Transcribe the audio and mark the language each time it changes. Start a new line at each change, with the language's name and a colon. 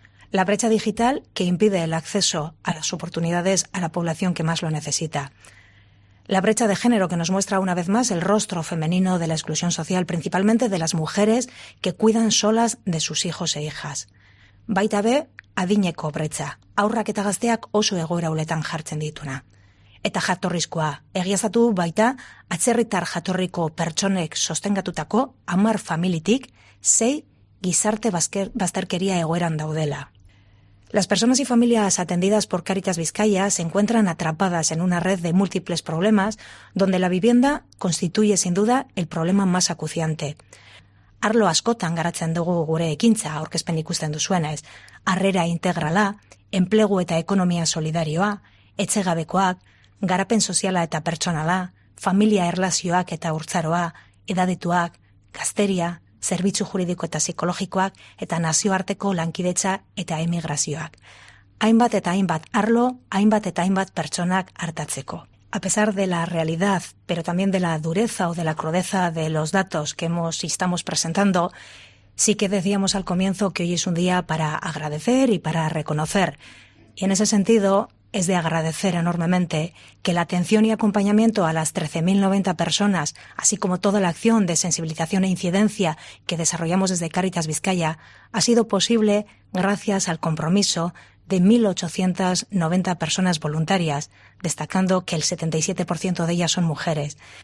Spanish: La brecha digital, que impide el acceso a las oportunidades a la población que más lo necesita. La brecha de género, que nos muestra una vez más el rostro femenino de la exclusión social, principalmente de las mujeres que cuidan solas de sus hijos e hijas.
Basque: Baita be, adineko brecha. Aurrak eta gazteak oso egoera uletan jartzen dituna. Eta jatorrizkoa, egiaztatu baita, atzerritar jatorriko pertsonek sostengatutako 10 familitik 6 gizarte bazterkeria egoeran daudela.
Spanish: Las personas y familias atendidas por Cáritas Vizcaya se encuentran atrapadas en una red de múltiples problemas donde la vivienda constituye sin duda el problema más acuciante.
Basque: Arlo askotan garatzen dugu gure ekintza aurkezpen ikusten duzuenez, harrera integrala, enplegu eta ekonomia solidarioa, etxegabekoak, garapen soziala eta pertsonala, familia erlazioak eta urtzaroa, edadetuak, gazteria, zerbitzu juridiko eta psikologikoak eta nazioarteko lankidetza eta emigrazioak. Hainbat eta hainbat arlo, hainbat eta hainbat pertsonak hartatzeko.
Spanish: A pesar de la realidad, pero también de la dureza o de la crudeza de los datos que estamos presentando, sí que decíamos al comienzo que hoy es un día para agradecer y para reconocer. Y en ese sentido, es de agradecer enormemente que la atención y acompañamiento a las 13.090 personas, así como toda la acción de sensibilización e incidencia que desarrollamos desde Cáritas Vizcaya, ha sido posible gracias al compromiso de 1.890 personas voluntarias, destacando que el 77% de ellas son mujeres.